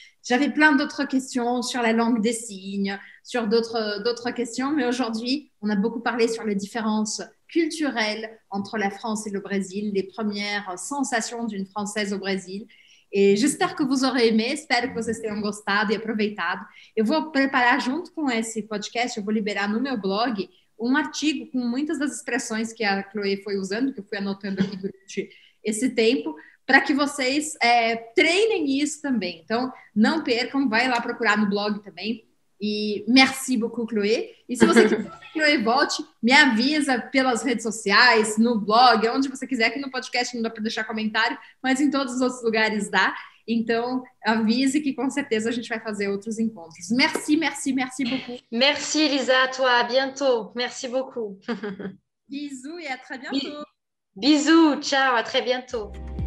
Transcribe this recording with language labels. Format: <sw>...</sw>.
<fr>J'avais plein d'autres questions sur la langue des signes, sur d'autres questions. Mais aujourd'hui, on a beaucoup parlé sur les différences culturelles entre la France et le Brésil, les premières sensations d'une Française au Brésil. Et j'espère que vous aurez aimé. J'espère que vous avez</fr> <pt>gostado</pt> <fr>et</fr> <pt>aproveitado. Eu vou preparar junto com esse podcast, eu vou liberar no meu blog um artigo com muitas das expressões que a Chloe foi usando, que eu fui anotando aqui durante esse tempo, para que vocês treinem isso também. Então, não percam, vai lá procurar no blog também. E</pt> <fr>merci beaucoup,</fr> <pt>Chloé. E se você quiser que a Chloé volte, me avisa pelas redes sociais, no blog, onde você quiser, que no podcast não dá para deixar comentário, mas em todos os outros lugares dá. Então, avise que com certeza a gente vai fazer outros encontros.</pt> <fr>Merci, merci, merci beaucoup. Merci, Elisa, à toi. À bientôt. Merci beaucoup. Bisous et à très bientôt. Bisous, ciao, à très bientôt.</fr>